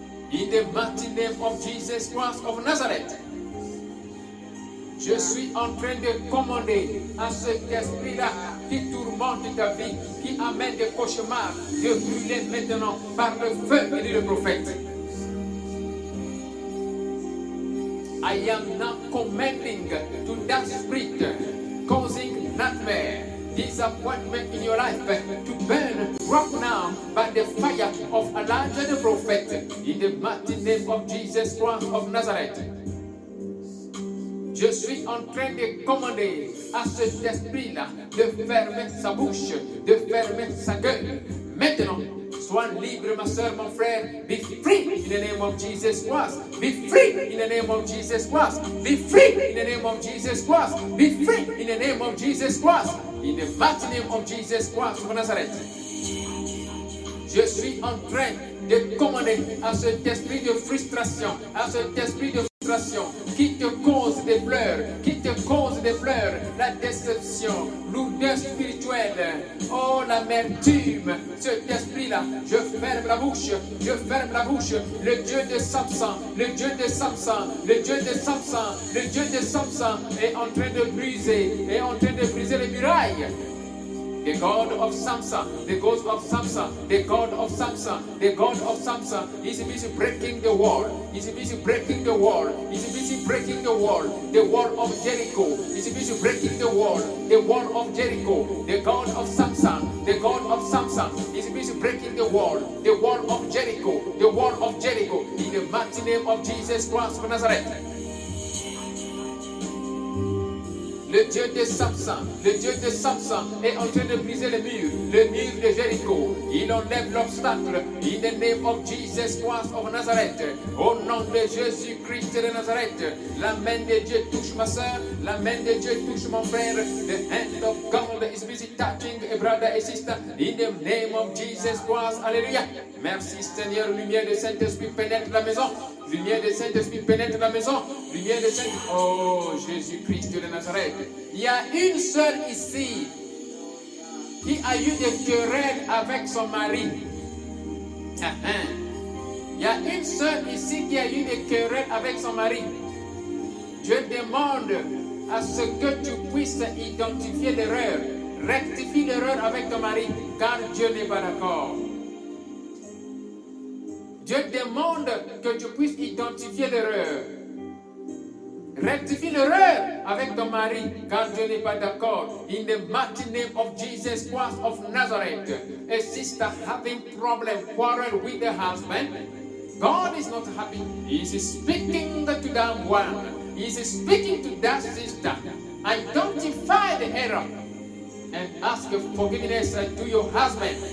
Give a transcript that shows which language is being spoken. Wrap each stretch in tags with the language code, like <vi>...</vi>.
<en>In the mighty name of Jesus Christ of Nazareth,</en> <fr>je suis en train de commander à cet esprit-là qui tourmente ta vie, qui amène des cauchemars, de brûler maintenant par le feu, et dit le prophète.</fr> <en>I am now commanding to that spirit causing nightmare, disappointment in your life to burn right now by the fire of Elijah the prophet in the mighty name of Jesus Christ of Nazareth.</en> <fr>Je suis en train de commander à cet esprit-là de fermer sa bouche, de fermer sa gueule. Maintenant, Sois libre, ma soeur, mon frère.</fr> <en>Be free in the name of Jesus Christ. Be free in the name of Jesus Christ. Be free in the name of Jesus Christ. Be free in the name of Jesus Christ. In the mighty name of Jesus Christ of Nazareth.</en> <fr>Je suis en train de commander à cet esprit de frustration, à cet esprit de frustration qui te cause des pleurs, qui te cause des pleurs, la déception, l'odeur spirituelle, oh l'amertume, cet esprit-là, je ferme la bouche, je ferme la bouche, le Dieu de Samson, le Dieu de Samson, le Dieu de Samson, le Dieu de Samson est en train de briser, est en train de briser les murailles.</fr> <en>The God of Samson, the God of Samson, the God of Samson, the God of Samson is busy breaking the wall, is busy breaking the wall, is busy breaking the wall of Jericho, is busy breaking the wall of Jericho, the God of Samson, the God of Samson is busy breaking the wall of Jericho, the wall of Jericho, in the mighty name of Jesus Christ of Nazareth.</en> <fr>Le Dieu de Samson, le Dieu de Samson est en train de briser le mur de Jéricho. Il enlève l'obstacle,</fr> <en>in the name of Jesus Christ of Nazareth.</en> <fr>Au nom de Jésus Christ de Nazareth, la main de Dieu touche ma soeur, la main de Dieu touche mon frère.</fr> <en>The hand of God is busy touching a brother and sister, in the name of Jesus Christ, alléluia.</en> <fr>Merci Seigneur, lumière de Saint-Esprit pénètre la maison. Lumière de Saint-Esprit pénètre la maison. Lumière de Saint-Esprit. Oh, Jésus-Christ de Nazareth. Il y a une sœur ici qui a eu des querelles avec son mari. Il y a une sœur ici qui a eu des querelles avec son mari. Dieu demande à ce que tu puisses identifier l'erreur. Rectifie l'erreur avec ton mari, car Dieu n'est pas d'accord. Dieu demande que tu puisses identifier l'erreur. Rectifie l'erreur avec ton mari, car Dieu n'est pas d'accord.</fr> <en>In the mighty name of Jesus Christ of Nazareth, a sister having problem, quarrel with the husband, God is not happy. He is speaking to that one. He is speaking to that sister. Identify the error and ask forgiveness to your husband.</en>